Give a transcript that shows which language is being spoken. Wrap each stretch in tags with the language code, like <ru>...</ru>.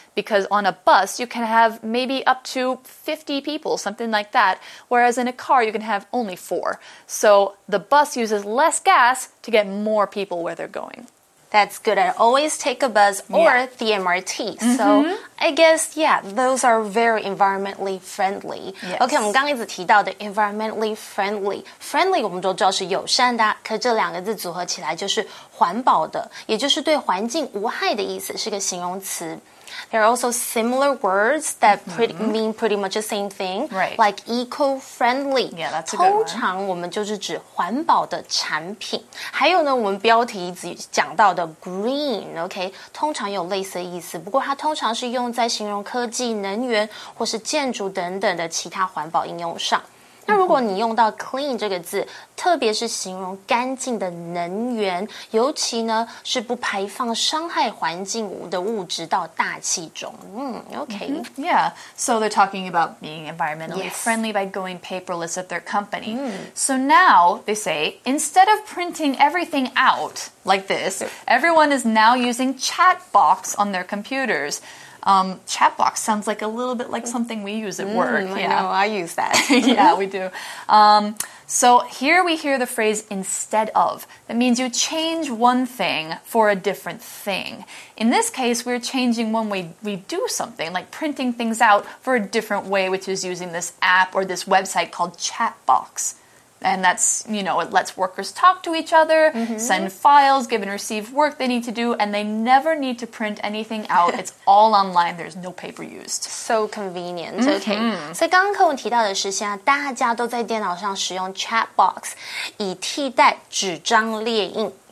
<en>Because on a bus, you can have maybe up to 50 people, something like that, whereas in a car, you can have only 4. So the bus uses less gas to get more people where they're going. That's good. I always take a bus or the MRT. So I guess, those are very environmentally friendly. Yes.</en> <zh>Okay, 我们刚刚一直提到的</zh> <en>environmentally friendly. Friendly</en> <zh>我们都知道是友善的，可这两个字组合起来就是环保的，也就是对环境无害的意思，是个形容词。</zh> <en>There are also similar words that mean pretty much the same thing, right. Like eco-friendly. Yeah, that's a good one.</en> <zh>通常我们就是指环保的产品。还有呢，我们标题讲到的</zh> <en>green, okay,</en> <zh>通常有类似的意思，不过它通常是用在形容科技、能源或是建筑等等的其他环保应用上。那如果你用到</zh> <en>clean</en> <zh>这个字，特别是形容干净的能源，尤其呢是不排放伤害环境的物质到大气中。</zh> <en>Okay. Yeah, so they're talking about being environmentally friendly by going paperless at their company. So now, they say, instead of printing everything out like this, everyone is now using chat box on their computers. chat box sounds like a little bit like something we use at work. I know, I use that. Yeah, we do. So here we hear the phrase instead of. That means you change one thing for a different thing. In this case, we're changing one way we do something, like printing things out for a different way, which is using this app or this website called Chatbox. And that's, you know, it lets workers talk to each other, send files, give and receive work they need to do, and they never need to print anything out. It's all online. There's no paper used. So convenient. Okay. Mm-hmm.</en> <zh>所以刚刚课文提到的是，现在大家都在电脑上使用</zh> <en>Chatbox</en> <zh>以替代纸张列印。</zh>